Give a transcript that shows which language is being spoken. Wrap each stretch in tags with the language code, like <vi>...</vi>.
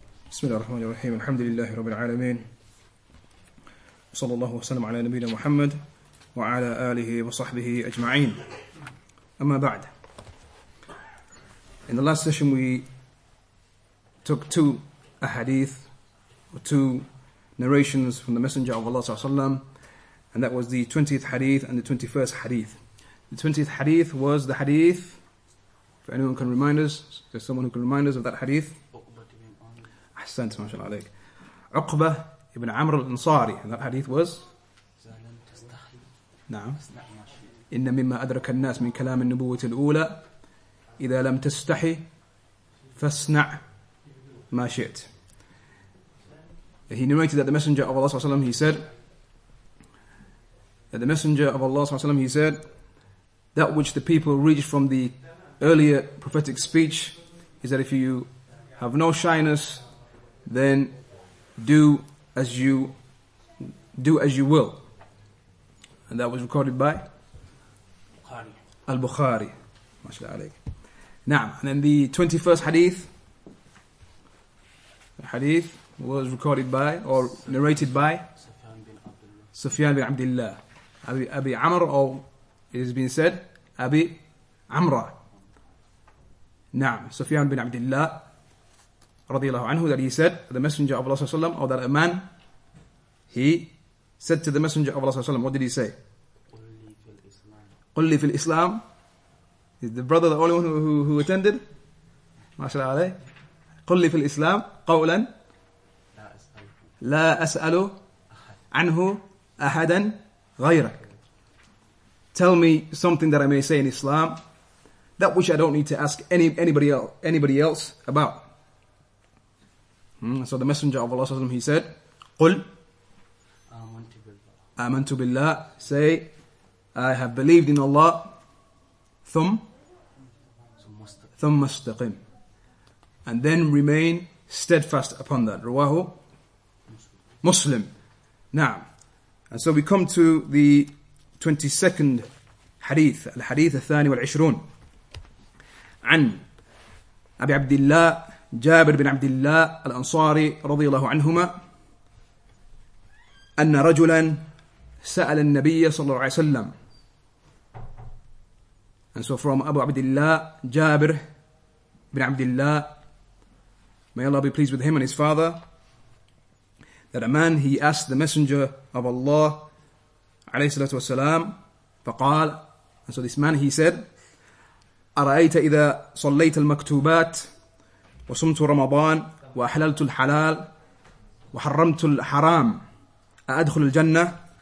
<ar>بسم الله الرحمن الرحيم الحمد لله رب العالمين صلى الله وسلم على نبينا محمد وعلى آله وصحبه أجمعين أما بعد.</ar> <en>In the last session we took two ahadith or two narrations from the Messenger of Allah وسلم, and that was the 20th hadith and the 21st hadith. The 20th hadith was the hadith, if anyone can remind us, if there's someone who can remind us of that hadith.</en> <ar>أحسنت ما شاء الله عليك. عقبة ابن عمرو الأنصاري.</ar> <en>That hadith was.</en> <ar>نعم. إن مما أدرك الناس من كلام النبوة الأولى إذا لم تستحي فاصنع ما شئت.</ar> <en>He narrated that the Messenger of Allah</en> <ar>صلى الله عليه وسلم,</ar> <en>he said that the Messenger of Allah صلى الله عليه وسلم, he said that which the people reached from the earlier prophetic speech is that if you have no shyness, then do as you will. And that was recorded by Al-Bukhari.</en> <ar>Mashallah alayk.</ar> <en>Now, and then the 21st hadith. The hadith was recorded by or narrated by Sufyan bin Abdullah. Abi Amr, or it has been said, Abi Amra. Now, Sufyan bin Abdullah رضي الله عنه, that he said the Messenger of Allah وسلم, or that a man, he said to the Messenger of Allah وسلم, what did he say?</en> <ar>قل لي في الإسلام.</ar> <en>Is the brother the only one who attended?</en> <ar>ما شاء الله عليه. قل لي في الإسلام قولا لا أسأل عنه أحدا غيرك.</ar> <en>Tell me something that I may say in Islam, that which I don't need to ask anybody else about. So the Messenger of Allah, he said,</en> <ar>قُلْ آمَنْتُ بِاللَّهِ.</ar> <en>Say, I have believed in Allah.</en> <ar>ثُمْ مَسْتَقِمْ.</ar> <en>And then remain steadfast upon that.</en> <ar>رواهُ مُسْلِمْ. نعم.</ar> <en>And so we come to the 22nd hadith.</en> <ar>الحديث الثاني والعشرون. عن أبي عبد الله جابر بن عبد الله الأنصاري رضي الله عنهما أن رجلا سأل النبي صلى الله عليه وسلم.</ar> <en>And so from Abu Abdullah Jabir bin Abdullah, may Allah be pleased with him and his father, that a man, he asked the Messenger of Allah</en> <ar>عليه الصلاة والسلام, فقال.</ar> <en>And so this man, he said,</en> <ar>أرأيت إذا صليت المكتوبات وصمت رمضان وأحللت الحلال وحرمت الحرام أأدخل الجنة؟</ar>